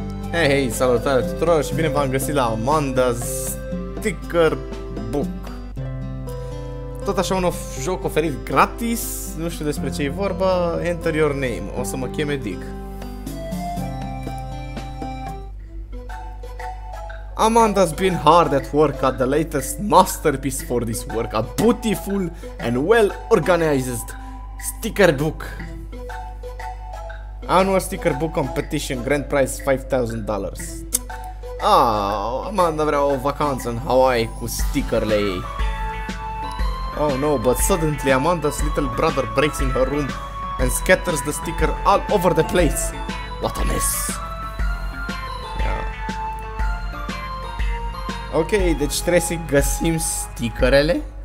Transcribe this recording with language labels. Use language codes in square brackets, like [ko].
[ro] Hei, hei, salutare tuturor și bine v-am găsit la Amanda's Sticker Book. Tot așa un joc oferit gratis, nu știu despre ce e vorba, [en] Enter Your Name, [ro] o să mă cheme Dick. [en] Amanda's been hard at work at the latest masterpiece for this work, a beautiful and well-organized sticker book. Annual sticker book competition, grand prize $5,000. [ro] Ah, Amanda vrea o vacanță în Hawaii cu stickerle ei. [en] Oh no, but suddenly Amanda's little brother breaks in her room and scatters the sticker all over the place. What a mess. Yeah. [ro] Ok, deci trebuie să găsim stickerele.